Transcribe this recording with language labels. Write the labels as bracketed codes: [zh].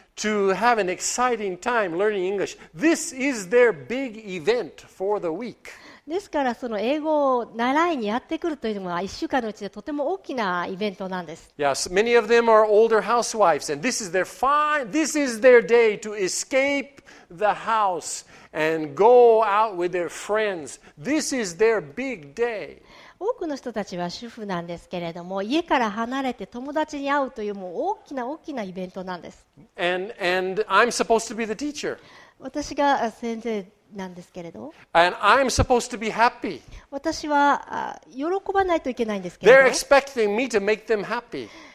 [en] To have an exciting time learning English. This is their big event for the week. [ja] ですからその英語を習いにやってくるというのは1週間のうちでとても大きなイベントなんです。 [en] Yes, many of them are older housewives, and this is their day to escape the house and go out with their friends. This is their big day. [ja] 多くの人たちは主婦なんですけれども、家から離れて友達に会うというもう大きな大きなイベントなんです。 [en] And I'm supposed to be the teacher. [ja] 私が先生なんですけれど。 [en] And I'm supposed to be happy. [ja] 私は喜ばないといけないんですけれど。 [en] They're expecting me to make them happy.